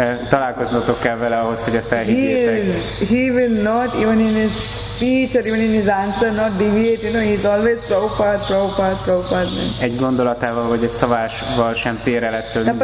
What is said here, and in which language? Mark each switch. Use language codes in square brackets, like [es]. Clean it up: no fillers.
[hu] Találkoznotok kell vele ahhoz, hogy ezt elhiggyétek. [en] He will not, even in his speech or even in his answer, not deviate. You know, he's always Prabhupada. [hu] Egy gondolatával vagy egy szavásval sem tér el ettől.